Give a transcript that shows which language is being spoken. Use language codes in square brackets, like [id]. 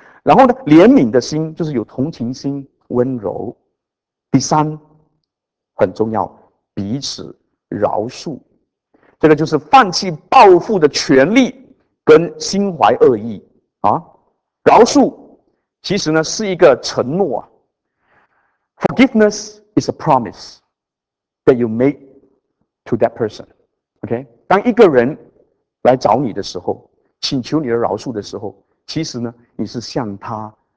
[zh] 然后呢，怜悯的心，就是有同情心，温柔。第三，很重要，彼此饶恕。这个就是放弃报复的权利跟心怀恶意啊。饶恕其实呢是一个承诺啊。 [en] Forgiveness is a promise that you make to that person. [zh] OK， 当一个人来找你的时候，请求你的饶恕的时候，其实呢，你是向他